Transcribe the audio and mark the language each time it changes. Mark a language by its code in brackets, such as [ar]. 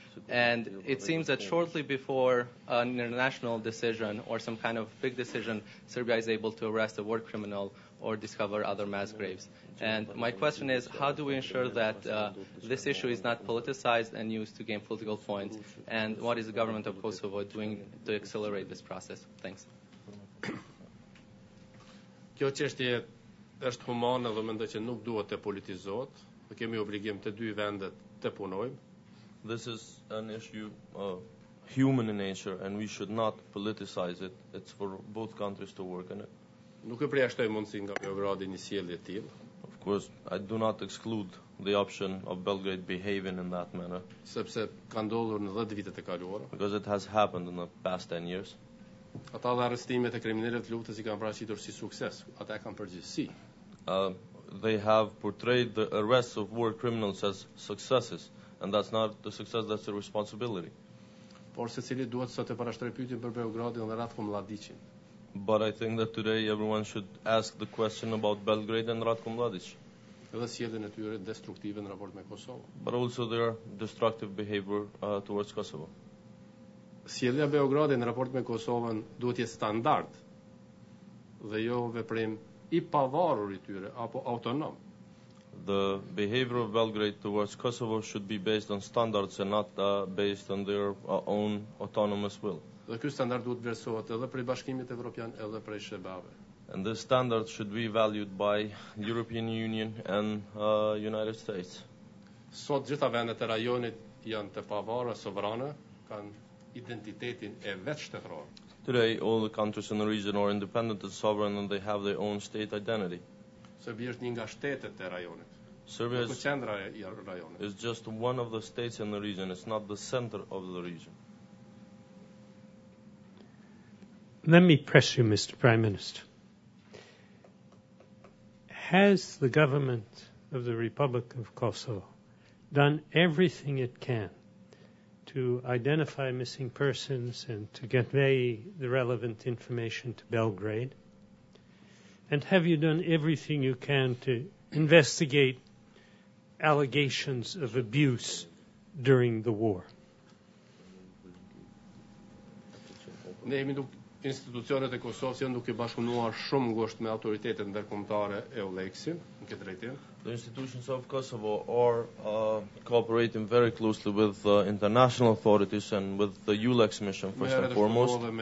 [en] And it seems that shortly before an international decision or some kind of big decision, Serbia is able to arrest a war criminal or discover other mass graves. And my question is, how do we ensure that this issue is not politicized and used to gain political points? And what is the government of Kosovo doing to accelerate this process? Thanks. [sq] Kjo çështje është humane dhe mendoj që nuk duhet të politizohet. Ne kemi obligim të dy vendet të punojmë. [en] This is an issue human in nature and we should not politicize it. It's for both countries to work on it. [sq] Nuk e përjashtoj mundësi nga Beogradi një sjellje të tillë. [en] Of course, I do not exclude the option of Belgrade behaving in that manner. [sq] Sepse ka ndodhur në 10 vitet e kaluara. [en] Because it has happened in the past 10 years. [sq] Ata arrestimet e kriminalëve të luftës i kanë paraqitur si sukses, ata kanë përgjegjësi. [en] They have portrayed the arrests of war criminals as successes, and that's not the success, that's the responsibility. [sq] Por secili duhet sot të parashtrojë pyetjen për Beogradin dhe Ratko Mladićin. [en] But I think that today everyone should ask the question about Belgrade and Ratko Mladić. [sq] Edhe sjelljen e tyre destruktive në raport me Kosovën. [en] But also their destructive behavior towards Kosovo. [sq] Sjellja e Beogradit në raport me Kosovën duhet të jetë standard dhe jo veprim i pavarur i tyre apo autonom. [en] The behavior of Belgrade towards Kosovo should be based on standards and not based on their own autonomous will. [sq] Dhe ky standard duhet vlerësohet edhe prej Bashkimit Evropian edhe prej SHBA-ve. [en] And this standard should be valued by European Union and United States. [sq] Sot gjitha vendet e rajonit janë të pavarura, sovrane, kanë identitetin e vet shtetëror. [en] Today all the countries in the region are independent and sovereign and they have their own state identity. [sq] Serbia është një nga shtetet e rajonit. [en] Serbia is [sq] qendra e rajonit. [en] It's just one of the states in the region, it's not the center of the region. Let me press you, Mr. Prime Minister. Has the government of the Republic of Kosovo done everything it can to identify missing persons and to convey the relevant information to Belgrade? And have you done everything you can to investigate allegations of abuse during the war? [sq] Ne jemi duke institucionet e Kosovës janë duke bashkunuar shumë ngushtë me autoritetet ndërkombëtare e ULEKS-it në këtë drejtim. [en] The institutions of Kosovo are cooperating very closely with the international authorities and with the ULEX mission, first and foremost.